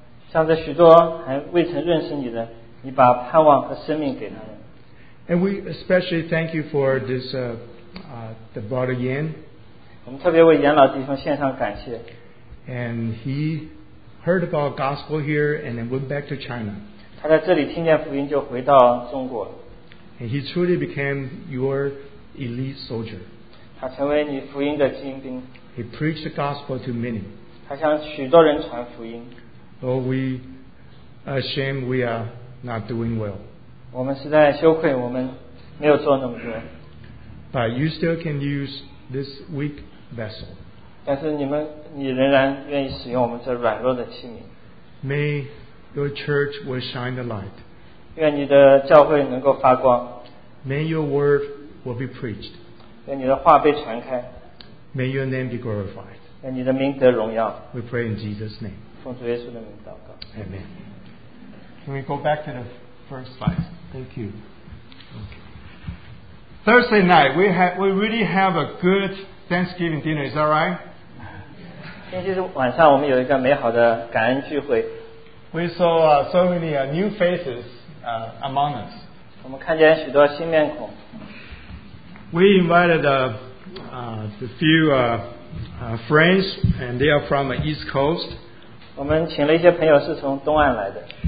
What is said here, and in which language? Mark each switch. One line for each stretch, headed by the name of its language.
Chinese: 像这许多还未曾认识你的，你把盼望和生命给他们。
English: And we especially thank you for this the brother Yan.
Chinese: 我们特别为严老弟兄献上感谢。
English: And he. Heard about gospel here and then went back to China.
Chinese: 他在这里听见福音就回到中国。
English: And he truly became your elite soldier.
Chinese: 他成为你福音的精兵。
English: He preached the gospel to many.
Chinese: 他向许多人传福音。
English: Oh, we ashamed we are not doing well.
Chinese: 我们实在羞愧，我们没有做那么多。
English: But you still can use this weak vessel.
Chinese: 但是你仍然愿意使用我们这软弱的器皿。
English: May your church will shine the light.
Chinese: 愿你的教会能够发光。
English: May your word will be preached.
Chinese: 愿你的话被传开。
English: May your name be glorified.
Chinese: 愿你的名得荣耀。
English: We pray in Jesus' name.
Chinese: 奉主耶稣的名祷告。
English: Amen. Can we go back to the first slide? Thank you. Okay. Thursday night, we really have a good Thanksgiving dinner. Is that right?
Chinese: 星期晚上我们有一个美好的感恩聚会。
English: We saw so many new faces among us.
Chinese: 我们看见许多新面孔。
English: We invited a few friends, and they are from the East Coast.
Chinese: 我们请了一些朋友是从东岸来的。